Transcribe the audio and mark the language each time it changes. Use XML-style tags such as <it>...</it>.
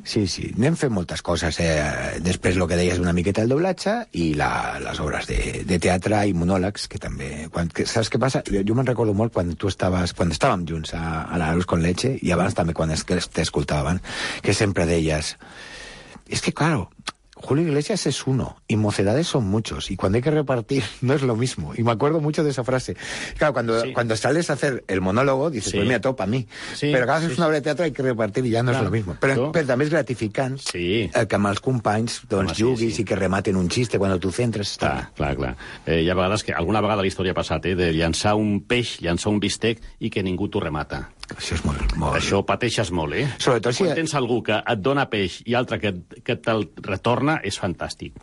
<ca>Sí, sí, anem fent moltes coses. Després el que deies una miqueta del doblatge i les obres de teatre i monòlegs, que també... Saps què passa? Jo me'n recordo molt quan tu estaves... Quan estàvem junts a la Luz con Leche, i abans també quan t'escoltaven, que sempre deies... És que, claro...</ca> <es>Julio Iglesias es uno, y mocedades son muchos, y cuando hay que repartir, no es lo mismo. Y me acuerdo mucho de esa frase. Claro, cuando sales a hacer el monólogo, dices, pues mira, todo para mí. Sí, pero cada vez es una obra de teatro, hay que repartir, y ya no es lo mismo. Pero también</es> <ca>es gratificant que amb els companys, doncs, juguis i que rematen</ca> <es>un chiste cuando tú centres.</es> <ca>Clar. Hi ha vegades que alguna vegada la història ha passat, de llançar un peix, llançar un bistec, i que ningú t'ho remata. Això és molt... Això pateixes molt, eh? Sobretot si... Quan tens algú que et dona peix i altre que te'l retorna, és fantàstic.</ca>